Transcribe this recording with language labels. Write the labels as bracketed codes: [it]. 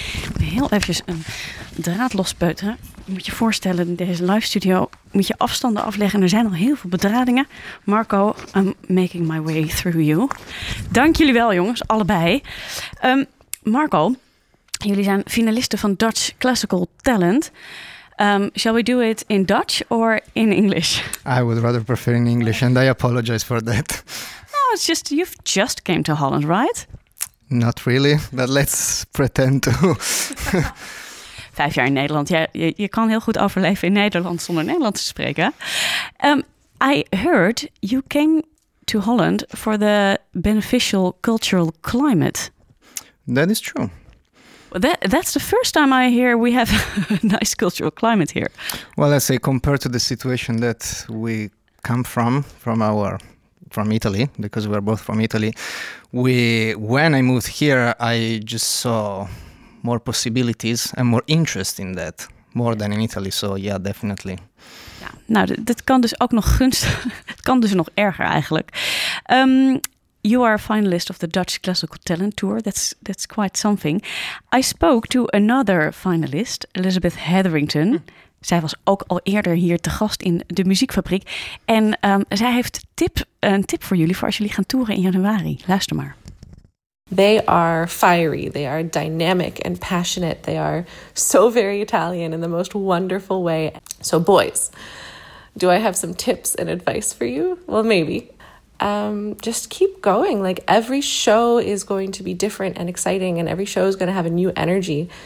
[nl] Ik moet heel even een draad lospeuteren. Je moet je voorstellen, in deze live studio moet je afstanden afleggen. Er zijn al heel veel bedradingen. Marco, [en] I'm making my way through you. [nl] Dank jullie wel jongens, allebei. Marco, jullie zijn finalisten van Dutch Classical Talent. [en] Shall we do it in Dutch or in English? I would rather prefer in English and I apologize for that. No, it's just, you've just came to Holland, right? Not really, but let's pretend to. [nl] 5 jaar in Nederland. Ja, je kan heel goed overleven in Nederland zonder Nederlands te spreken. [en] I heard you came to Holland for the beneficial cultural climate. That is true. That's the first time I hear we have a nice cultural climate here. Well, I say compared to the situation that we come from Italy, because we're both from Italy. When I moved here, I just saw more possibilities and more interest in that, more than in Italy. So yeah, definitely. [nl] Ja, nou, dat kan dus ook nog gunstig. Het kan dus nog erger eigenlijk. [en] You are a finalist of the Dutch Classical Talent Tour. That's quite something. I spoke to another finalist, Elizabeth Hetherington. [nl] Zij was ook al eerder hier te gast in de Muziekfabriek. En zij heeft een tip voor jullie voor als jullie gaan toeren in januari. Luister maar. [en] They are fiery. They are dynamic and passionate. They are so very Italian in the most wonderful way. So boys, do I have some tips and advice for you? Well, maybe. Just keep going. Like every show is going to be different and exciting and every show is going to have a new energy.